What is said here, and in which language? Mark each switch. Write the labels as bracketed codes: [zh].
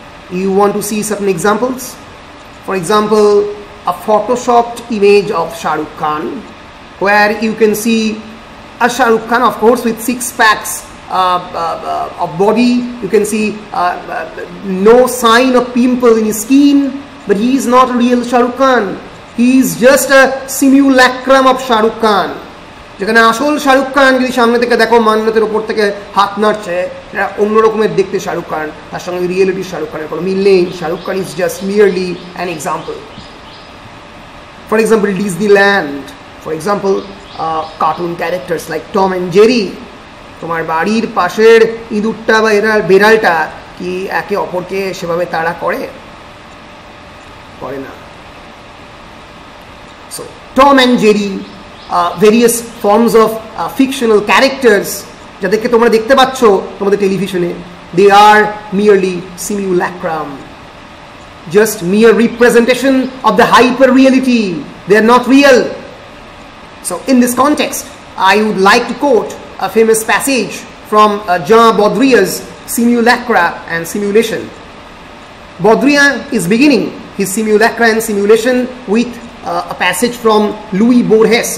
[en] You want to see certain examples? For example, a photoshopped image of Shah Rukh Khan, where you can see a Shah Rukh Khan, of course, with six packs of body. You can see no sign of pimple in his skin, but he is not a real Shah Rukh Khan. He is just a simulacrum of Shah Rukh Khan. [bn] যেখানে আসল শাহরুখ খান যদি সামনে থেকে দেখো মান্নাতের উপর থেকে হাত নাড়ছে, এটা অন্যরকমের দেখতে শাহরুখ খান, তার সঙ্গে রিয়েলিটি শাহরুখ খানের কোনো মিল নেই। [en] Shahrukh Khan is just merely an example. For example Disneyland, for example cartoon characters like Tom and Jerry, [bn] তোমার বাড়ির পাশের ইঁদুরটা বা এরা বেড়ালটা কি একে অপরকে সেভাবে তাড়া করে? করে না। [en] so Tom and Jerry, various forms of fictional characters [bn] যাদেরকে তোমরা দেখতে পাচ্ছ তোমাদের টেলিভিশনে, [en] they are merely simulacrum, just mere representation of the hyper reality. They are not real. So in this context, I would like to quote a famous passage from Jean Baudrillard's Simulacra and Simulation. Baudrillard is beginning his Simulacra and Simulation with a passage from Louis Borges.